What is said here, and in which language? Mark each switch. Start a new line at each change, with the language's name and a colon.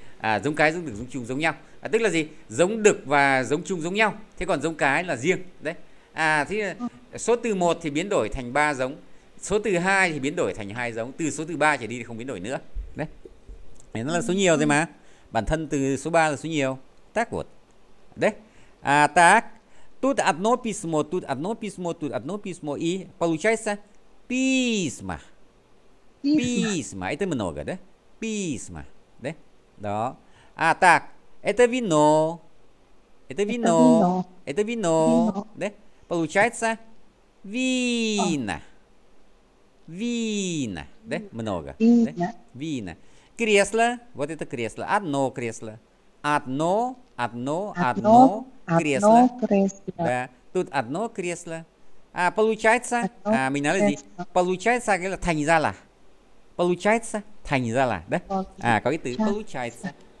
Vietnamese: À giống cái, giống đực, giống chung, giống nhau. À, tức là gì? Giống đực và giống chung giống nhau. Thế còn giống cái là riêng. Đấy. À thế số từ 1 thì biến đổi thành 3 giống. Số từ 2 thì biến đổi thành 2 giống. Từ số từ 3 trở đi thì không biến đổi nữa. Đấy. Nó là số nhiều rồi mà. Bản thân từ số 3 là số nhiều.
Russian: Так вот. Đấy. À так. Тут одно письмо, тут одно письмо, тут одно письмо. И получается письма. Письма. Это много, да? Письма. Да? Да. А так, это вино. Это вино. Это вино. Да? Получается вина. Вина. Да? Много. Вина. Кресло. Вот это кресло. Одно кресло. Одно, одно, одно. Кресло. Кресло. Да. Тут одно кресло. А получается, одно а меня люди, получается, говорят,
Vietnamese: thành ra là. Получается, thành ra là, да? А, có cái từ получается.